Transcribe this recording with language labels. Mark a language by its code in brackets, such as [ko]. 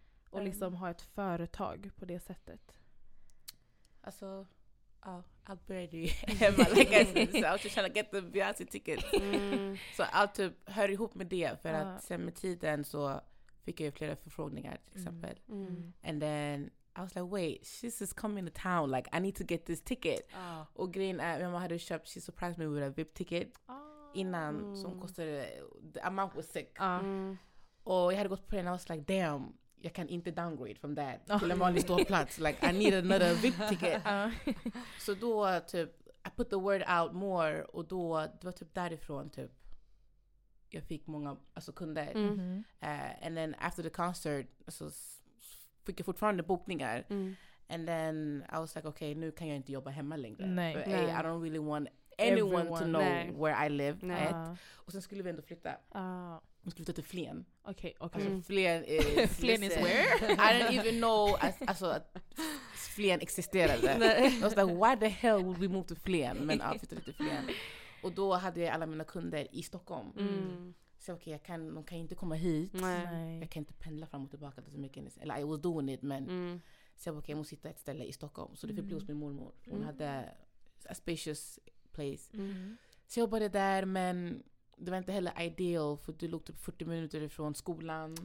[sv] Och liksom ha ett företag på det sättet. Alltså, ja, allt började ju hemma. [en] Like I said, so I was just trying to get the Beyonce ticket. [sv] Så allt typ hör ihop med det. För att sen med tiden så fick jag ju flera förfrågningar till exempel. [en] And then I was like, wait, she's just coming to town. Like, I need to get this ticket. [sv] Och grejen är, mamma hade köpt, [en] she surprised me with a VIP ticket. [sv] Innan, som kostade, [en] the amount was sick. [sv] Och jag hade gått på den, [en] I was like, damn. [sv] Jag kan inte [en] downgrade from that [sv] till en vanlig stor plats. [en] Like, I need another VIP ticket. [sv] Så då typ, [en] I put the word out more. [sv] Och då, det var typ därifrån typ, jag fick många alltså, kunder. [en] And then after the concert [sv] så fick jag fortfarande bokningar. [en] And then I was like, okay, [sv] nu kan jag inte jobba hemma längre. Nej. [en] I don't really want anyone to know where I live. [sv] Och sen skulle vi ändå flytta. Vi skulle flytta till Flen. [en] Okay. [sv] Alltså Flen is, [en] Flen is where? I don't even know [sv] att Flen existerade. [en] I was like, why the hell would we move to Flen? [sv] Men jag flyttade till Flen. Och då hade jag alla mina kunder i Stockholm. Så okej, okay, de kan inte komma hit. Nej. Jag kan inte pendla fram och tillbaka så mycket. Eller [en] I was doing it, [sv] men så okej, jag måste sitta ett ställe i Stockholm. Så det fick bli hos min mormor. Hon hade [en] a spacious place. [sv] Så jag jobbade där, men det var inte heller ideal, för du låg typ 40 minuter ifrån skolan.